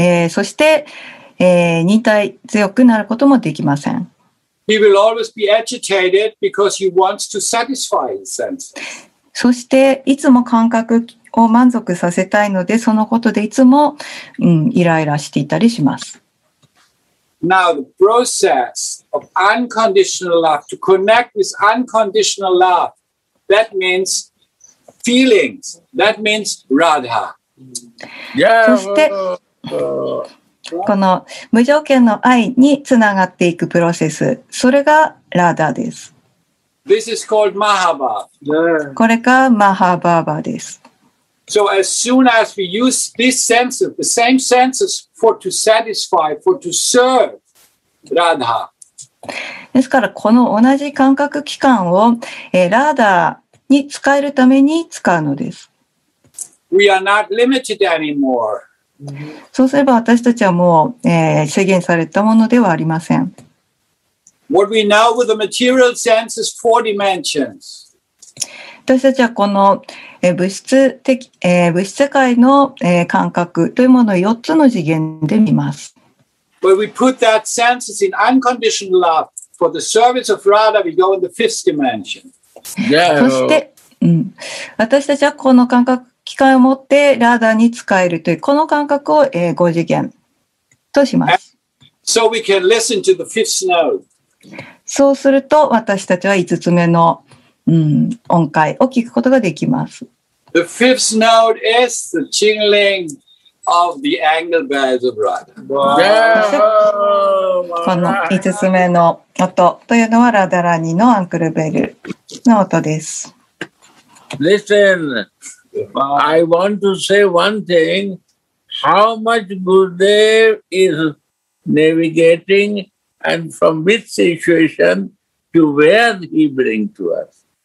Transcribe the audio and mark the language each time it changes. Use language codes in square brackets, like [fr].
[ja] そして、忍耐強くなることもできません。 [en] He will always be agitated because he wants to satisfy his senses. [ja] そしていつも感覚を満足させたいのでそのことでいつも、イライラしていたりします。 [en] Now, the process of unconditional love, to connect with unconditional love, that means feelings, that means Radha. Yeah. [ja] そして、この無条件の愛につながっていくプロセス、それがラーダです。 [en] This is called Mahabha. Yeah. [ja] これがマハバーバです。 [en] So as soon as we use this senses, the same senses for to satisfy, for to serve Radha. [ja] ですからこの同じ感覚器官を、ラーダに使えるために使うのです。 [en] We are not limited anymore. [ja] そうすれば私たちはもう、制限されたものではありません。 [en] What we know with the material sense is four dimensions. [ja] 私たちはこの物質世界の感覚というものを4つの次元で見ます。 [en] But we put that senses in unconditional love for the service of Radha, we go in the fifth dimension. Yeah. [ja] そして、私たちはこの感覚、機械を持ってラーダに使えるという、この感覚を5次元とします。 [en] So we can listen to the fifth note. [ja] そうすると、私たちは5つ目の音階を聞くことができます。 [en] The fifth note is the jingling of the angle bells of Radha. Yeah! [ja] この5つ目の音というのはラダラニのアンクルベルの音です。 [en] Listen, I want to say one thing. How much Gurudev is navigating and from which situation to where he brings to us?